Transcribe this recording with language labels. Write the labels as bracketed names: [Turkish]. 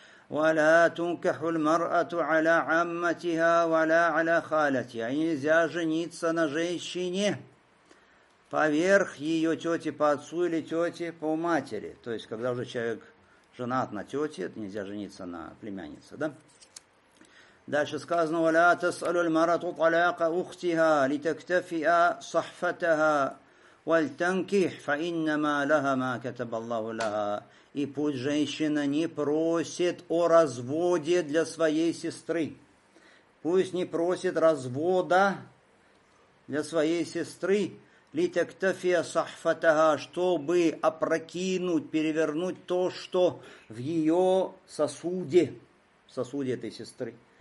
[Arabic] وَلَا تُنْكَحُ الْمَرْأَةُ عَلَىٰ عَمَّتِهَا وَلَا عَلَىٰ خَالَتِهَا. [Russian] И нельзя жениться на женщине поверх ее тети по отцу или тети по матери. То есть, когда уже человек женат на тете, нельзя жениться на племяннице, да? Дальше сказано, [Arabic] وَلَا تَسْأَلُ الْمَرْأَةُ طَلَاقَ أُخْتِهَا لِتَكْتَفِئَ صَحْفَتَهَا وَالْتَنْكِحْ فَإِنَّمَا لَهَ مَا كَتَبَ اللَّهُ لَهَا. [Russian] И пусть женщина не просит о разводе для своей сестры. Пусть не просит развода для своей сестры. Литактафия сахфатага, чтобы опрокинуть, перевернуть то, что в ее сосуде, в сосуде этой сестры.